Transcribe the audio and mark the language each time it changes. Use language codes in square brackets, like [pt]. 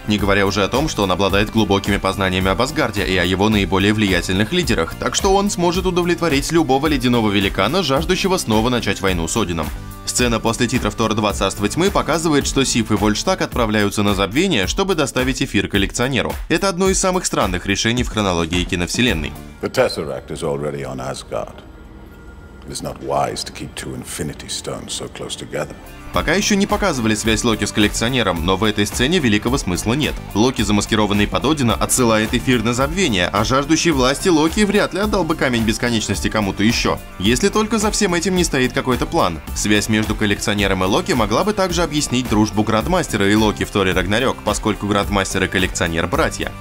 [ru] Не говоря уже о том, что он обладает глубокими познаниями об Асгарде и о его наиболее влиятельных лидерах, так что он сможет удовлетворить любого ледяного великана, жаждущего снова начать войну с Одином. Сцена после титров Тора 2 «Царство тьмы» показывает, что Сиф и Вольштаг отправляются на забвение, чтобы доставить эфир коллекционеру. Это одно из самых странных решений в хронологии киновселенной. [en] The Tesseract is already on Asgard. It is not wise to keep two Infinity Stones so close together. [ru] Пока еще не показывали связь Локи с коллекционером, но в этой сцене великого смысла нет. Локи, замаскированный под Одина, отсылает эфир на забвение, а жаждущий власти Локи вряд ли отдал бы Камень Бесконечности кому-то еще. Если только за всем этим не стоит какой-то план. Связь между коллекционером и Локи могла бы также объяснить дружбу Грандмастера и Локи в Торе Рагнарёк, поскольку Грандмастер и коллекционер – братья.